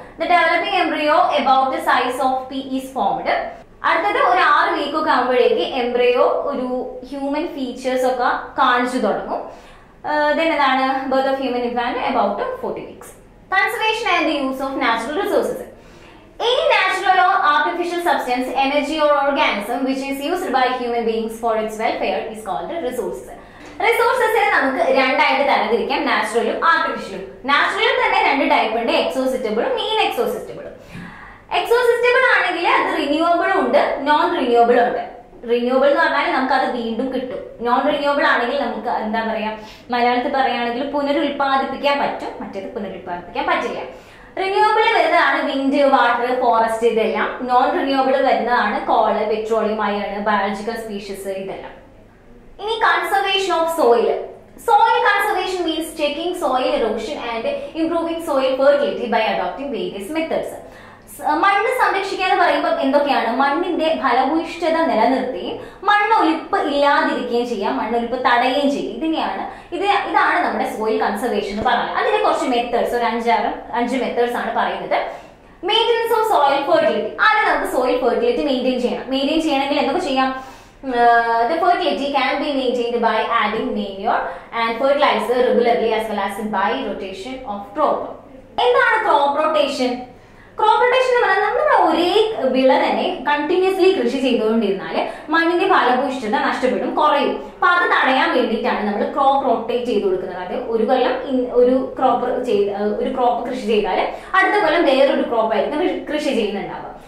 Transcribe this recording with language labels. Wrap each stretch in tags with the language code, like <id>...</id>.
<en>The developing embryo about the size of pea is formed.</en> <ml>അടുത്തത് ഒരു 6 week ഒക്കെ ആകുമ്പോഴേക്ക് എംബ്രിയോ ഒരു ഹ്യൂമൻ ഫീച്ചേഴ്സ് ഒക്കെ കാണിച്ചു തുടങ്ങും.</ml> <en>Then എന്താണ് birth of human infant about 40 weeks. Conservation and the use of natural resources. Any natural or artificial substance, energy or organism which is used by human beings for its welfare is called a resource.</en> <ml>Resources നമുക്ക് രണ്ടായിട്ട് തരംതിരിക്കാം, നാച്ചുറലും ആർട്ടിഫിഷ്യലും. നാച്ചുറലും തന്നെ രണ്ട് type ഉണ്ട്, എക്സോസിസ്റ്റബിളും in എക്സോസിസ്റ്റബിളും. എക്സോസിസ്റ്റബിൾ ആണെങ്കിൽ അത് റിന്യൂവബിളും ഉണ്ട്, non റിന്യൂവബിളും ഉണ്ട്. റിന്യൂവബിൾ എന്ന് പറഞ്ഞാൽ നമുക്ക് അത് വീണ്ടും കിട്ടും. നോൺ റിന്യൂവബിൾ ആണെങ്കിൽ നമുക്ക് എന്താ പറയാ, മലയാളത്തിൽ പറയുകയാണെങ്കിൽ പുനരുൽപാദിപ്പിക്കാൻ പറ്റും, മറ്റേത് പുനരുൽപാദിപ്പിക്കാൻ പറ്റില്ല. റിന്യൂവബിള് വരുന്നതാണ് വിൻഡ്, വാട്ടർ, ഫോറസ്റ്റ് ഇതെല്ലാം. നോൺ റിന്യൂവബിള് വരുന്നതാണ് call, petroleum, iron, biological species ഇതെല്ലാം.</ml> <en>ഇനി conservation of soil. Soil conservation means checking soil erosion and improving soil fertility by adopting various methods.</en> <ml>മണ്ണ് സംരക്ഷിക്കുക എന്ന് പറയുമ്പോൾ എന്തൊക്കെയാണ്? മണ്ണിന്റെ ഫലഭൂയിഷ്ഠത നിലനിർത്തുകയും മണ്ണൊലിപ്പ് ഇല്ലാതിരിക്കുകയും ചെയ്യാം, മണ്ണൊലിപ്പ് തടയുകയും ചെയ്യും. ഇതാണ് നമ്മുടെ സോയിൽ കൺസർവേഷൻ എന്ന് പറയുന്നത്. അതിന് കുറച്ച് മെത്തേഡ്സ്, ഒരു അഞ്ച് മെത്തേഡ്സ് ആണ് പറയുന്നത്.</ml> <en>Maintenance of soil fertility.</en> <ml>ആദ്യം നമുക്ക് സോയിൽ ഫെർട്ടിലിറ്റി മെയിൻറ്റെയിൻ ചെയ്യണം. മെയിൻറ്റെയിൻ ചെയ്യണമെങ്കിൽ എന്തൊക്കെ ചെയ്യാം?</ml> <en>The fertility can be maintained by adding manure and fertilizer regularly as well as by rotation of crop.</en> <ml>എന്താണ് ക്രോപ്പ് റൊട്ടേഷൻ? ക്രോപ്പ് റൊട്ടേഷൻ എന്ന് പറഞ്ഞാൽ നമ്മുടെ ഒരേ വിള തന്നെ കണ്ടിന്യൂസ്ലി കൃഷി ചെയ്തുകൊണ്ടിരുന്നാല് മണ്ണിന്റെ ഫലഭൂയിഷ്ഠത നഷ്ടപ്പെടും, കുറയും. അപ്പൊ അത് തടയാൻ വേണ്ടിയിട്ടാണ് നമ്മൾ ക്രോപ്പ് റൊട്ടേറ്റ് ചെയ്ത് കൊടുക്കുന്നത്. അതായത് ഒരു കൊല്ലം ഒരു ക്രോപ്പ് കൃഷി ചെയ്താല് അടുത്ത കൊല്ലം വേറൊരു ക്രോപ്പായിരിക്കും കൃഷി ചെയ്യുന്നുണ്ടാവുക.</ml>